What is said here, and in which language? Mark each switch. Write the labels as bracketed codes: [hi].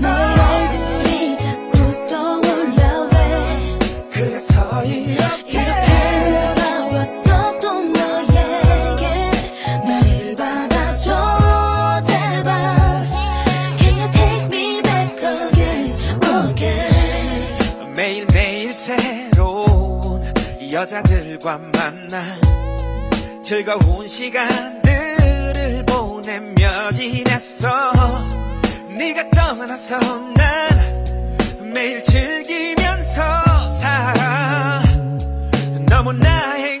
[ko] 내 얼굴이 자꾸 떠올라 왜 그래서 이렇게 돌아왔어 또 너에게 나를 받아줘 제발 [en] Can you take me back again, again [ko] 매일매일 새로운 여자들과 즐거운 시간들을 보내며 지냈어 네가 떠나서 난 매일 즐기면서 살아 너무나